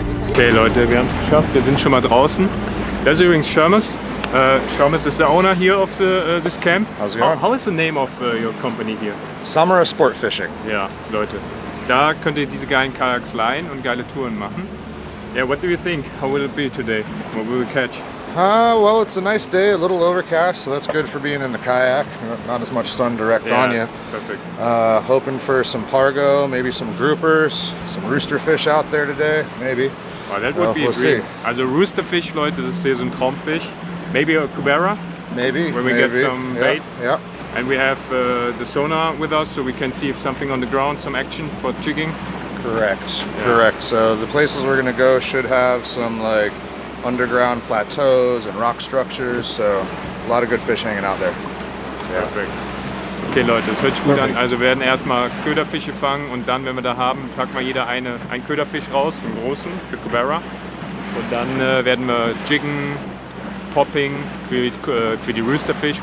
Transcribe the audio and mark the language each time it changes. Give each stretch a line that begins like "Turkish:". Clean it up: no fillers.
German: Okay Leute, wir haben es geschafft, wir sind schon mal draußen. Das ist übrigens Shermus.
English: Shermus is the owner here of the, this camp. How's it going? How is the name of your company here? Summer of Sport Fishing.
German: Ja, Leute, da könnt ihr diese geilen Kajaks leihen und geile Touren machen.
English: Yeah, what do you think? How will it be today? What will we catch? Well, it's a nice day, a little overcast, so that's good for being in the kayak. Not as much sun direct on you. Perfect. Hoping for some pargo, maybe some groupers, some rooster fish out there today, maybe. Oh, that would be a dream.
German: Also Roosterfish, Leute, das ist hier so ein Traumfisch.
English: Maybe a Cubera. Maybe. When we get some bait. Yeah. And we have the sonar with us, so we can see if something on the ground, some action for jigging. Correct. Yeah. Correct. So the places we're gonna go should have some like underground plateaus and rock structures. So a lot of good fish hanging out there. Yeah. Perfect.
German: Okay Leute, das hört sich gut an. Also wir werden erstmal Köderfische fangen und dann, wenn wir da haben, packen wir jeder einen Köderfisch raus, einen großen für Cubera. Und dann werden wir jiggen, popping für die Roosterfish.